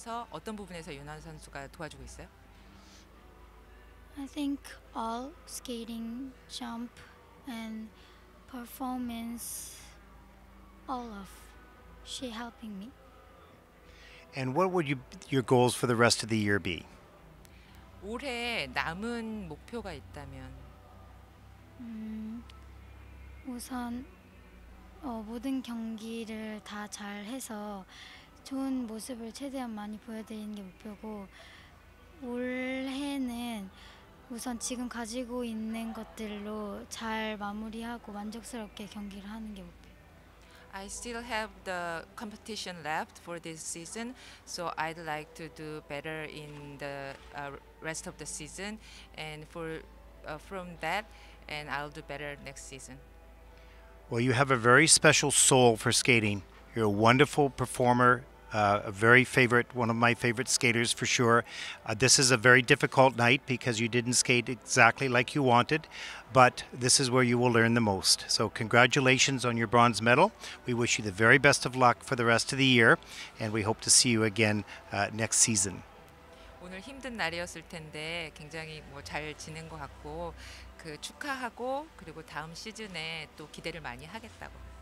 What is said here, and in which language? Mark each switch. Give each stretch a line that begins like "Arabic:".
Korean: 어떤 부분에서 유나 선수가 도와주고 있어요?
English: I think all skating, jump, and performance, all of she helping me. And what would your goals for the rest of the year be?
Korean: 올해 남은 목표가 있다면? 우선 모든 경기를 다 잘 해서 좋은 모습을 최대한 많이 보여드리는 게 목표고 올해는 우선 지금 가지고 있는 것들로 잘 마무리하고 만족스럽게 경기를 하는 게 목표.
English: I still have the competition left for this season, so I'd like to do better in the rest of the season, and from that, and I'll do better next season. Well, you have a very special soul for skating. You're a wonderful performer. One of my favorite skaters for sure. This is a very difficult night because you didn't skate exactly like you wanted, but this is where you will learn the most. So congratulations on your bronze medal. We wish you the very best of luck for the rest of the year, and we hope to see you again next season.
Korean: 오늘 힘든 날이었을 텐데 굉장히 뭐 잘 지낸 것 같고 그 축하하고 그리고 다음 시즌에 또 기대를 많이 하겠다고.